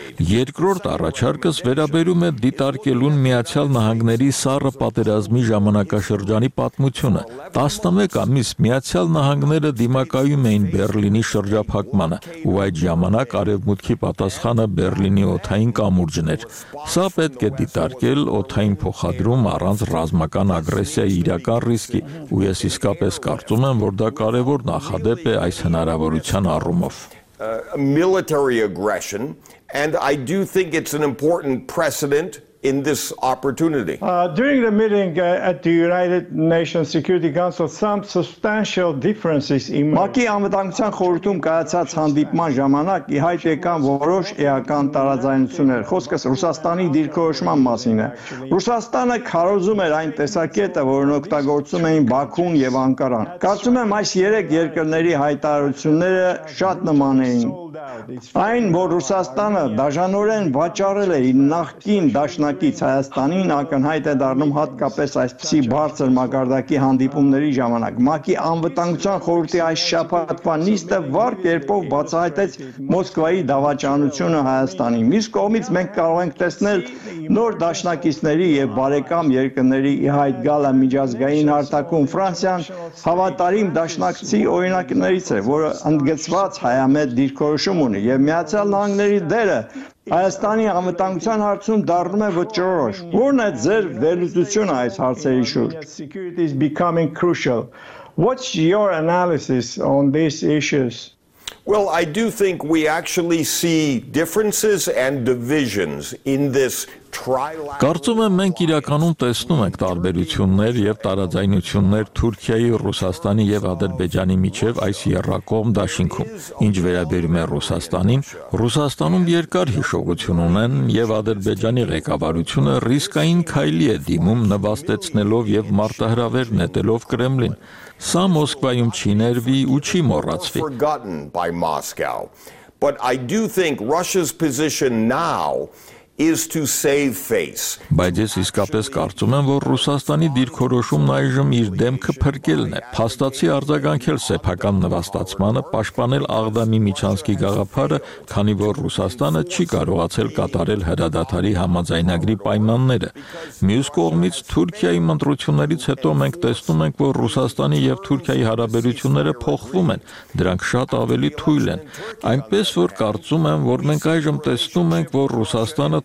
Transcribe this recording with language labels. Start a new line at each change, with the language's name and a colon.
Armenian: Երկրորդ առաջարկս վերաբերում է դիտարկելուն Միացյալ Նահանգների սառը պատերազմի ժամանակաշրջանի պատմությունը։ 11 ամիս Միացյալ Նահանգները դիմակայում էին Բեռլինի շրջափակմանը, ու այդ ժամանակ արևմուտքի պատասխանը Բեռլինի օթային կամուրջն էր։ Սա պետք է դիտարկել օթային փոխադրում առանց ռազմական ագրեսիայի իրական ռիսկի, ու ես իսկապես կարծում եմ, որ դա կարևոր նախադեպ է այս հնարավորության առումով։
English: Military aggression, and I do think it's an important precedent in this opportunity. During the meeting at the United Nations Security Council, some substantial differences emerged.
Armenian: ՄԱԿ-ի անվտանգության խորհրդում կայացած հանդիպման ժամանակ իհայտ եկան որոշ էական տարաձայնություններ, խոսքս Ռուսաստանի դիրքորոշման մասին է։ Ռուսաստանը քարոզում էր այն տեսակետը, որն օգտագործում էին Բաքուն և Անկարան։ Կարծում եմ, այս երեք երկրների հայտարարությունները շատ նման էին այն, որ Ռուսաստանը դաժանորեն վաճառել է իր նախկին դաշնակից Հայաստանին, ակնհայտ է դառնում հատկապես այսպիսի բարձր մակարդակի հանդիպումների ժամանակ։ ՄԱԿ-ի անվտանգության խորհրդի այս շաբաթվա նիստը վառ կերպով բացահայտեց Մոսկվայի դավաճանությունը Հայաստանին։ Մյուս կողմից մենք կարող ենք տեսնել նոր դաշնակիցների և բարեկամ երկրների իհայտ գալը միջազգային հարթակում։ Ֆրանսիան հավատարիմ դաշնակցի օրինակներից է, որը ընդգծված հայամետ դիրքորոշում ունի, և Միացյալ Նահանգների դերը Հայաստանի անվտանգության հարցում դառնում է վճռորոշ։ Որն է ձեր վերլուծությունը այս հարցերի շուրջ?
English: Security is becoming crucial. What's your analysis on these issues? Well, I do think we actually see differences and divisions in this trilateral.
Armenian: Կարծում եմ, մենք իրականում տեսնում ենք տարբերություններ և տարաձայնություններ Թուրքիայի, Ռուսաստանի և Ադրբեջանի միջև այս երկկողմ դաշինքում։ Ինչ վերաբերում է Ռուսաստանին, Ռուսաստանում երկար հիշողություն ունեն, և Ադրբեջանի ղեկավարությունը ռիսկային քայլի է դիմում, նվաստեցնելով և մարտահրավեր նետելով Կրեմլին։ Սա Մոսկվայում չի ներվի ու չի մոռացվի։
English: But I do think Russia's position now is to save face.
Armenian: Բայց ես իսկապես կարծում եմ, որ Ռուսաստանի դիրքորոշումն այժմ իր դեմքը փրկելն է, փաստացի արձագանքել սեփական նվաստացմանը, պաշտպանել Աղդամի միջանցքի գաղափարը, քանի որ Ռուսաստանը չի կարողացել կատարել հրադադարի համաձայնագրի պայմանները։ Մյուս կողմից Թուրքիայի մտրություններից հետո մենք տեսնում ենք, որ Ռուսաստանի և Թուրքիայի հարաբերությունները փոխվում են, դրանք շատ ավելի թույլ են, այնպես որ կարծում եմ, որ մենք այժմ տեսնում ենք, որ Ռուսաստանը